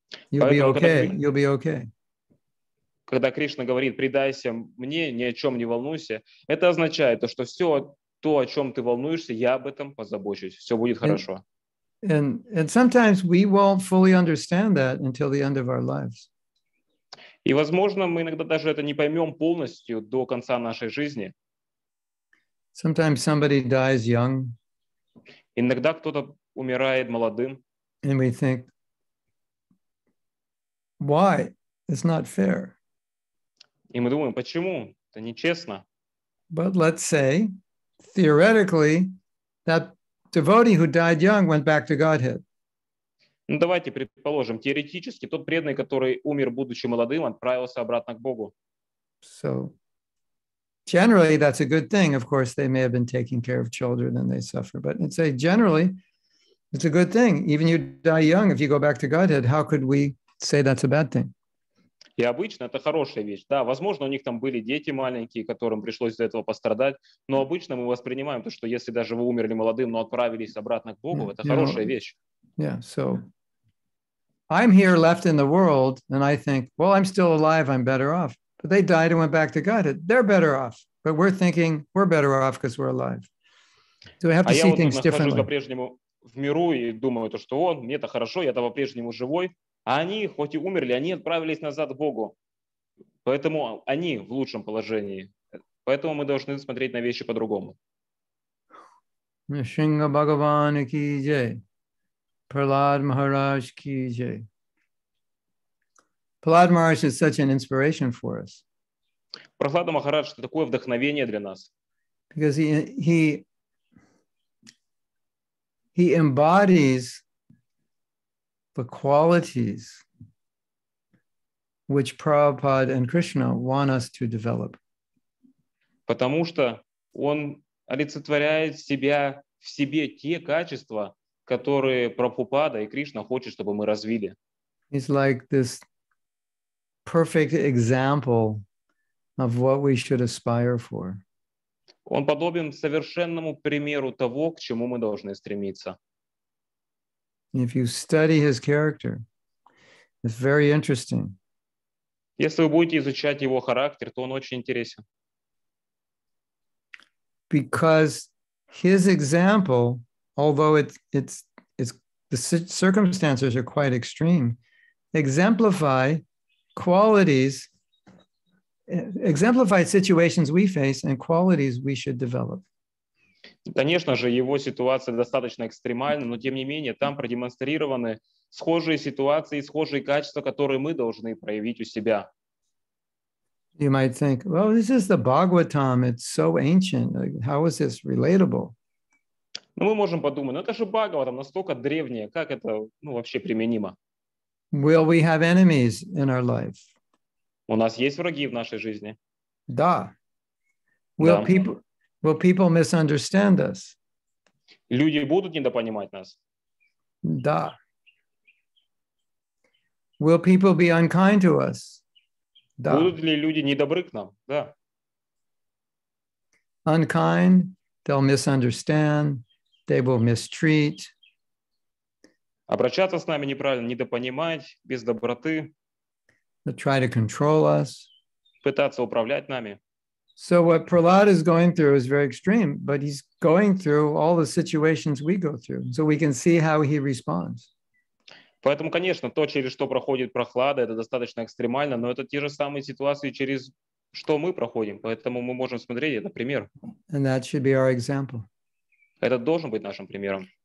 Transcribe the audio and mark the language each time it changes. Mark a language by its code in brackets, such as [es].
[en] You'll be okay. You'll be okay. [ru] Когда Кришна говорит, предайся мне, ни о чем не волнуйся, это означает то, что все то, о чем ты волнуешься, я об этом позабочусь. Все будет хорошо. [en] And sometimes we won't fully understand that until the end of our lives. [ru] И возможно, мы иногда даже это не поймем полностью до конца нашей жизни. [en] Sometimes somebody dies young. [ru] Иногда кто-то умирает молодым. [en] And we think, why? It's not fair. [ru] И мы думаем, почему? Это нечестно. [en] But let's say, theoretically, that devotee who died young went back to Godhead. [ru] Ну, давайте предположим, теоретически, тот преданный, который умер, будучи молодым, отправился обратно к Богу. [en] So, generally, that's a good thing. Of course, they may have been taking care of children and they suffer. But let's say, generally, it's a good thing. Even you die young, if you go back to Godhead, how could we say that's a bad thing? [ru] И обычно это хорошая вещь. Да, возможно, у них там были дети маленькие, которым пришлось из-за этого пострадать. Но обычно мы воспринимаем то, что если даже вы умерли молодым, но отправились обратно к Богу, это хорошая вещь. [en] Yeah, so I'm here left in the world, and I think, well, I'm still alive, I'm better off. But they died and went back to Godhead. They're better off. But we're thinking, we're better off because we're alive. So we have to see things differently. [ru] Я нахожусь по-прежнему в миру и думаю, то, что он, мне-то хорошо, я-то по-прежнему живой. А они, хоть и умерли, они отправились назад к Богу. Поэтому они в лучшем положении. Поэтому мы должны смотреть на вещи по-другому. [hi] Нишинга Бхагаван ки джей. Прахлад Махарадж ки джей. [en] Прахлад Махарадж is such an inspiration for us. [ru] Прахлада Махарадж – такое вдохновение для нас. [en] Because he embodies the qualities which Prabhupada and Krishna want us to develop. [ru] Потому что он олицетворяет себя в себе те качества, которые Прабхупада и Кришна хочет, чтобы мы развили. [en] He's like this perfect example of what we should aspire for. [ru] Он подобен совершенному примеру того, к чему мы должны стремиться. [en] If you study his character, it's very interesting. [ru] Если вы будете изучать его характер, то он очень интересен. [en] Because his example, although it's the circumstances are quite extreme, exemplify situations we face and qualities we should develop. [ru] Конечно же, его ситуация достаточно экстремальна, но тем не менее там продемонстрированы схожие ситуации, схожие качества, которые мы должны проявить у себя. [en] You might think, well, this is the Bhagavatam, it's so ancient, how is this relatable? [ru] Ну, мы можем подумать, ну это же Бхагаватам, настолько древнее, как это, ну, вообще применимо? [en] Will we have enemies in our life? [ru] У нас есть враги в нашей жизни? Да. [en] Will people misunderstand us? [ru] Люди будут недопонимать нас? Да. [en] Will people be unkind to us? [ru] Да. Будут ли люди недобры к нам? Да. [en] Unkind, they'll misunderstand, they will mistreat. [ru] Обращаться с нами неправильно, недопонимать, без доброты. [en] They'll try to control us. [ru] Пытаться управлять нами. [en] So what Prahlad is going through is very extreme, but he's going through all the situations we go through, so we can see how he responds. [ru] Поэтому, конечно, то, через что проходит Прохлада, это достаточно экстремально, но это те же самые ситуации, через что мы проходим. Поэтому мы можем смотреть это пример. [en] And that should be our example. [ru] Это должен быть нашим примером.